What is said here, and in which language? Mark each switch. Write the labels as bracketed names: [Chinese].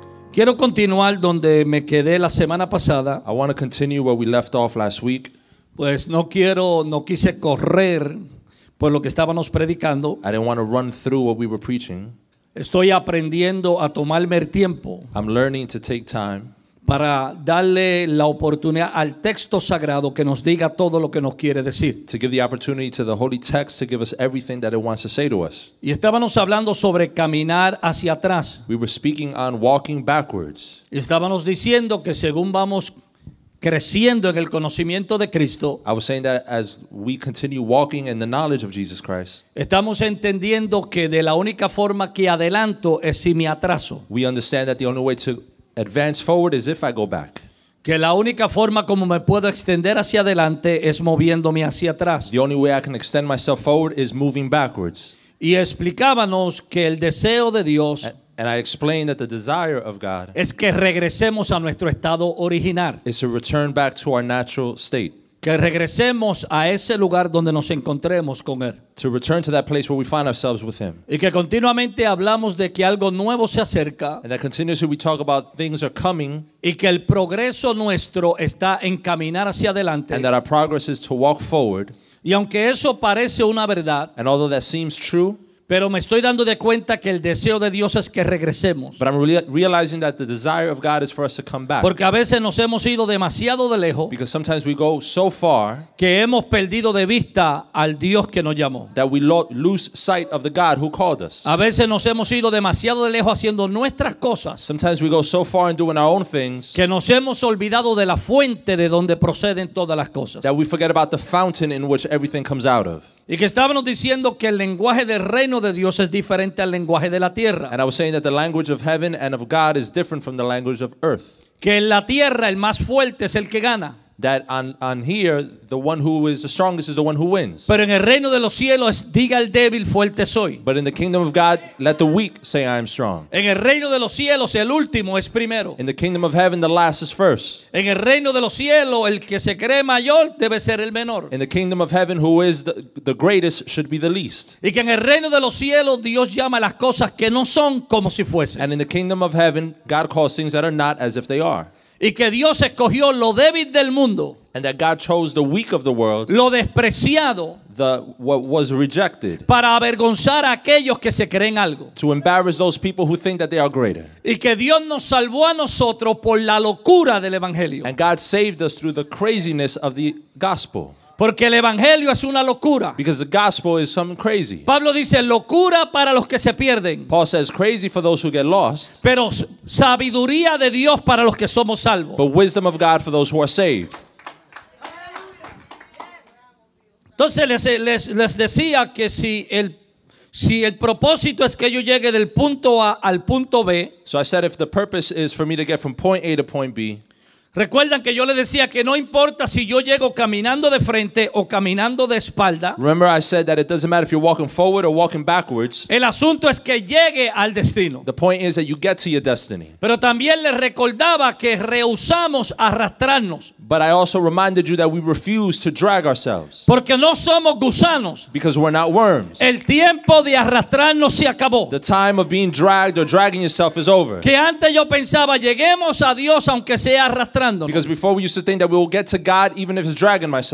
[Spanish] Quiero continuar donde me quedé la semana pasada. [English] I want to continue where we left off last week. [Spanish] Pues no quise correr por lo que estábamos predicando. [English] I didn't want to run through what we were preaching. [Spanish] Estoy aprendiendo a tomarme el tiempo. [English] I'm learning to take time. [Spanish] Para darle la oportunidad al texto sagrado que nos diga todo lo que nos quiere decir. [English] To give the opportunity to the holy text to give us everything that it wants to say to us. [Spanish] Y estábamos hablando sobre caminar hacia atrás. [English] We were speaking on walking backwards. [Spanish] Y estábamos diciendo que según vamos creciendo en el conocimiento de Cristo. [English] I was saying that as we continue walking in the knowledge of Jesus Christ. [Spanish] Estamos entendiendo que de la única forma que adelanto es si me atraso. [English] We understand that the only way to advance forward is if I go back. [Spanish] Que la única forma como me puedo extender hacia adelante es moviéndome hacia atrás. [English] The only way I can extend myself forward is moving backwards. [Spanish] Y explicábamos que el deseo de Dios [English] and I explained that the desire of God [Spanish] es que regresemos a nuestro estado original. [English] Is to return back to our natural state. [Spanish] Que regresemos a ese lugar donde nos encontremos con Él. [English] To return to that place where we find ourselves with Him. [Spanish] Y que continuamente hablamos de que algo nuevo se acerca. [English] And that continuously we talk about things are coming. [Spanish] Y que el progreso nuestro está en caminar hacia adelante. [English] And that our progress is to walk forward. [Spanish] Y aunque eso parece una verdad. [English] And although that seems true. [Spanish] Pero me estoy dando de cuenta que el deseo de Dios es que regresemos. [English] But I'm realizing that the desire of God is for us to come back. [Spanish] Porque a veces nos hemos ido demasiado de lejos. [English] Because sometimes we go so far. [Spanish] Que hemos perdido de vista al Dios que nos llamó. [English] That we lose sight of the God who called us. [Spanish] A veces nos hemos ido demasiado de lejos haciendo nuestras cosas. [English] Sometimes we go so far in doing our own things. [Spanish] Que nos hemos olvidado de la fuente de donde proceden todas las cosas. [English] That we forget about the fountain in which everything comes out of. [Spanish] Y que estábamos diciendo que el lenguaje del reino de Dios es diferente al lenguaje de la tierra. [English] And I was saying that the language of heaven and of God is different from the language of earth. [Spanish] Que en la tierra el más fuerte es el que gana. [English] That on here, the one who is the strongest is the one who wins. [Spanish] Pero en el reino de los cielos, diga el débil, fuerte soy. [English] But in the kingdom of God, let the weak say, I am strong. [Spanish] En el reino de los cielos, el último es primero. [English] In the kingdom of heaven, the last is first. [Spanish] En el reino de los cielos, el que se cree mayor debe ser el menor. [English] In the kingdom of heaven, who is the greatest should be the least. [Spanish] Y que en el reino de los cielos, Dios llama las cosas que no son como si fuesen. [English] And in the kingdom of heaven, God calls things that are not as if they are. [Spanish] Y que Dios escogió lo débil del mundo. [English] And that God chose the weak of the world. [Spanish] Lo despreciado. [English] What was rejected. [Spanish] Para avergonzar a aquellos que se creen algo. [English] To embarrass those people who think that they are greater. [Spanish] Y que Dios nos salvó a nosotros por la locura del evangelio. [English] And God saved us through the craziness of the gospel. [Spanish] Porque el evangelio es una locura. [English] Because the gospel is something crazy. [Spanish] Pablo dice locura para los que se pierden. [English] Paul says crazy for those who get lost. [Spanish] Pero sabiduría de Dios para los que somos salvos. [English] But wisdom of God for those who are saved. [Spanish] Entonces les decía que si el propósito es que yo llegue del punto A al punto B. [English] So I said if the purpose is for me to get from point A to point B. [Spanish] Recuerdan que yo le decía que no importa si yo llego caminando de frente o caminando de espalda. [English] Remember I said that it doesn't matter if you're walking forward or walking backwards. [Spanish] El asunto es que llegue al destino. [English] The point is that you get to your destiny. [Spanish] Pero también le recordaba que rehusamos arrastrarnos. [English] But I also reminded you that we refuse to drag ourselves. [Spanish] Porque no somos gusanos. [English] Because we're not worms. [Spanish] El tiempo de arrastrarnos se acabó. [English] The time of being dragged or dragging yourself is over. [Spanish] Que antes yo pensaba lleguemos a Dios aunque sea arrastrándonos. [English] Because before we used to think that we will get to God even if it's dragging myself.